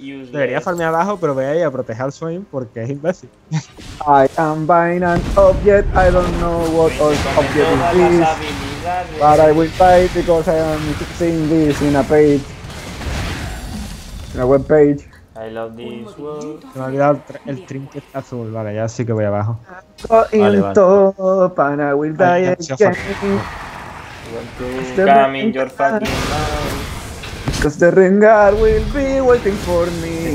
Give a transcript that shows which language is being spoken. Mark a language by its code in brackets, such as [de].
[es] Debería farmear abajo, pero voy a ir a proteger al Swain porque es imbécil. [en] I am buying an object. I don't know what object it is. But I will fight because I am seeing this in a page. In a web page. I love this world. [es] Se me ha olvidado el trinket azul, vale, ya sí que voy abajo. [en] Going top and I will die again. Welcome to coming, your fucking man. Cause the Rengar will be waiting for me.